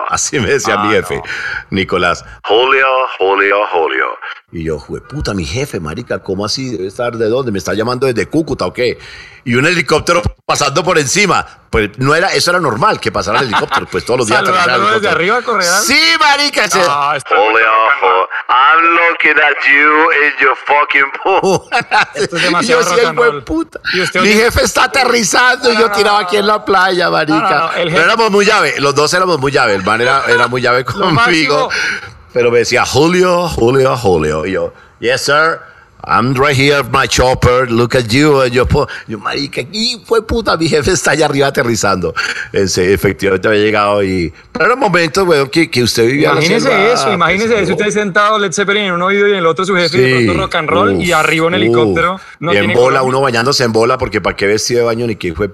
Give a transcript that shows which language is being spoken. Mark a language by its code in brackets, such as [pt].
[es] Así me decía mi jefe, no. Nicolás. Julio, Julio, Julio. Y yo, güey, puta, mi jefe, marica, ¿cómo así? ¿Debe estar de dónde? ¿Me está llamando desde Cúcuta o qué? Y un helicóptero pasando por encima. Pues no era, eso era normal, que pasara el helicóptero, pues todos los días. ¿Saludándolo desde arriba, Correal? ¡Sí, marica! Ese... [en] Oh, Julio, I'm looking at you in your fucking pool. [es] Esto es demasiado rock and roll. Puta. Mi jefe está aterrizando y yo tiraba aquí en la playa, marica. No, éramos muy llave, los dos éramos muy llave. El man era muy llave conmigo. Pero me decía, Julio, Julio, Julio. Y yo, [en] yes, sir, I'm right here, my chopper, look at you. [es] Y yo, marica, y fue puta, mi jefe está allá arriba aterrizando. Ese, efectivamente había llegado y... Pero era un momento, güey, que usted vivía... Imagínese eso, imagínese eso. Usted sentado Led Zeppelin en un oído y en el otro su jefe, sí, y de pronto rock and roll, uf, y arriba en helicóptero. No, y en bola, color. Uno bañándose en bola, porque para qué vestido de baño ni qué fue...